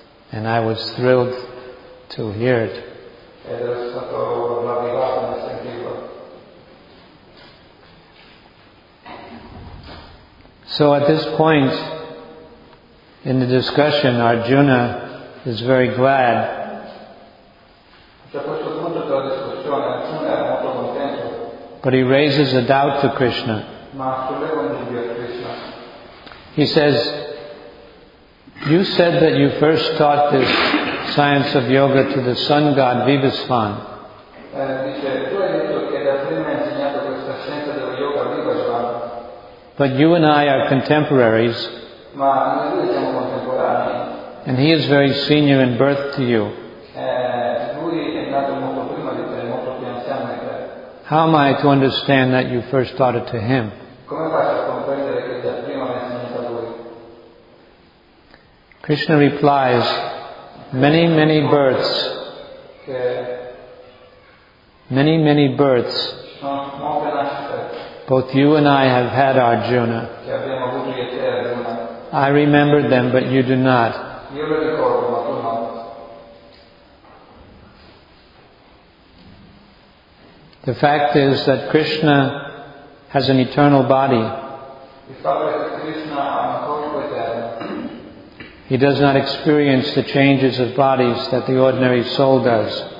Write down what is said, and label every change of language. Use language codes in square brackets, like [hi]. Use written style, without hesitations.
[en] And I was thrilled to hear it. [it] Ed è stato ravvivato nel sentirlo. [en] So at this point in the discussion, Arjuna is very glad. [it] A questo punto della discussione, Arjuna era molto contento. [en] But he raises a doubt to Krishna. [it] Ma solleva un dubbio a Krishna. [en] He says, you said that you first taught this science of yoga to the sun god Vibhisvan. [it] Dice, tu hai detto che da prima hai insegnato questa scienza dello yoga a Vibhisvan. [en] But you and I are contemporaries. [it] Ma noi due siamo contemporanei. [en] And he is very senior in birth to you. [it] Lui è nato molto prima di te, molto più anziano di te. [en] How am I to understand that you first taught it to him? [it] Come faccio a comprendere che da prima l'hai insegnato a lui? [en] Krishna replies, many, many births. [it] Che [en] many, many births. [it] Molte nascite. [en] Both you and I have had Arjuna. [it] Che abbiamo avuto io e te, Arjuna. [en] I remember them, but you do not. [it] Io lo ricordo, ma tu no. [en] The fact is that Krishna has an eternal body. [it] Il fatto è che Krishna ha un corpo eterno. [en] He does not experience the changes of bodies that the ordinary soul does.